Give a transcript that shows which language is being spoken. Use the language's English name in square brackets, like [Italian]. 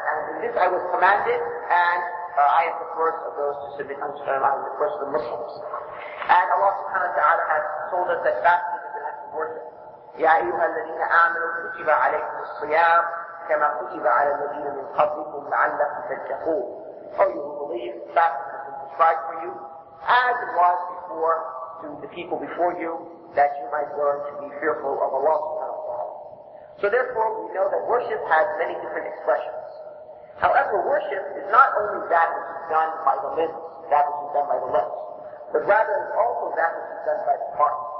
[English] And in this I was commanded, and I am the first of those to submit unto Him. I am the first of the Muslims. And Allah subhanahu wa ta'ala has told us that fasting, [Arabic] يا أيها الذين آمنوا كتب عليكم الصيام كما كتب على الذين من قبلكم لعلكم تتقون. [English] For you who believe, fasting has been prescribed for you, as it was before to the people before you, that you might learn to be fearful of Allah subhanahu wa ta'ala. So therefore, we know that worship has many different expressions. However, worship is not only that which is done by the lips, that which is done by the lips, but rather is also that which is done by the heart.